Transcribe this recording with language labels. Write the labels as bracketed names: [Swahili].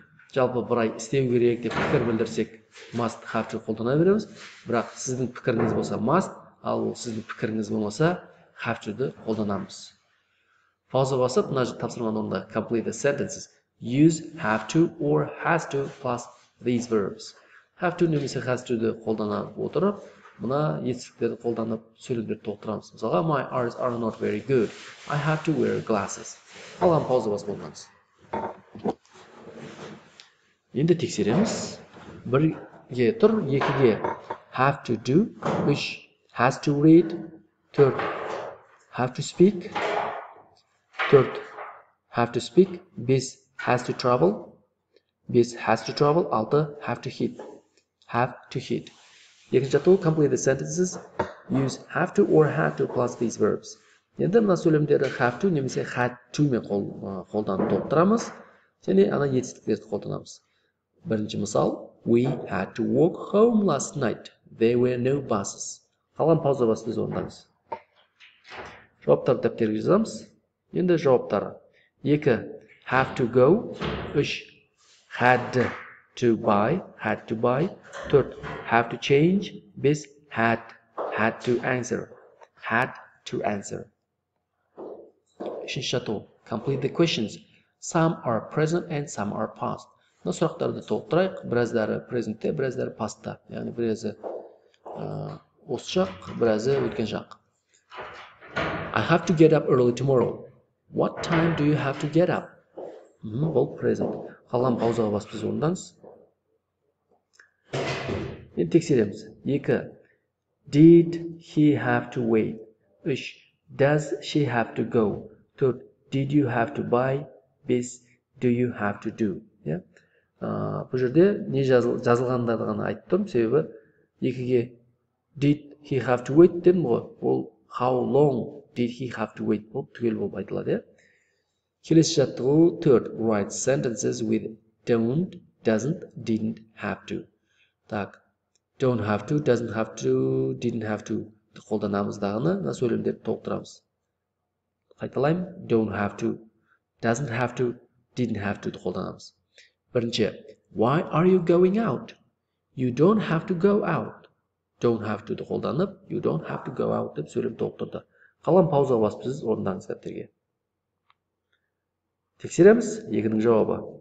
[Kazakh] Жалпы бір ай істеу керек деп пікір білдірсек, must have to қолдана береміз. Бірақ сіздің пікіріңіз болса must, ал сіздің пікіріңіз болмаса have to-ді қолданамыз. Пауза басып, мына тапсырманы орындайық. [English] Complete the sentences. Use have to or has to plus these verbs. [Kazakh] Have to немесе has to-ді қолдана отырып, мына етістіктерді қолданып сөйлемдерді толықтырамыз. [English] Мысалға, my eyes are not very good. I have to wear glasses. [Kazakh] Алған пауза басып болмаңыз. Енді тексереміз. [English] Бірге тұр, екіге have to do, үш has to read, төрт have to speak, төрт have to speak, бес has to travel, бес has to travel, алты have to hit. Have to hit. [Kazakh] Екінші жаттығу, [English] complete the sentences. Use have to or had to plus these verbs. [Kazakh] Енді мына сөйлемдерді have to немесе had to мен қолданып толықтырамыз. Және ана етістіктерді қолданамыз. Бірінші мысал. [English] We had to walk home last night. There were no buses. [Kazakh] Қалған пауза басты орындаңыз. Жауаптар дәптерге жазамыз. Енді жауаптар. Екі. Have to go. Үш. [English] Had to buy. Had to buy. Third, have to change. This had, had to answer. Had to answer. [Kazakh] Үшінші жаттығу. [English] Complete the questions. Some are present and some are past. [Kazakh] Мына сұрақтарды толықтырайық. Біраздары present-те, біраздары past-та. Яғни біразы осы жақ, біразы өткен жақ. [English] I have to get up early tomorrow. What time do you have to get up? [Kazakh] Бұл present. Қалған паузаға басып біз орындаңыз. Енді тексереміз. [English] Екі. Did he have to wait? Үш. Does she have to go? Төрт. Did you have to buy? Бес. Do you have to do? [Kazakh] Бұл жерде не жазылғандарды ғана айтып тұрмын. Себебі екіге did he have to wait дедім ғой. Ол how long did he have to wait болып түгел болып айтылады. Келесі жаттығу 4. [English] Write sentences with don't, doesn't, didn't, have to. Так, don't have to, doesn't have to, didn't have to. [Kazakh] Қолданамыз дағыны, мына сөйлемдерді толықтырамыз. Қайталайым, don't have to, doesn't have to, didn't have to қолданамыз. [English] Бірінші, why are you going out? You don't have to go out. [Kazakh] Don't have to қолданып, you don't have to go out деп сөйлем толықтырды. Қалған пауза басып сіз орындаңыз дәптерге. Тексереміз екінің жауабы.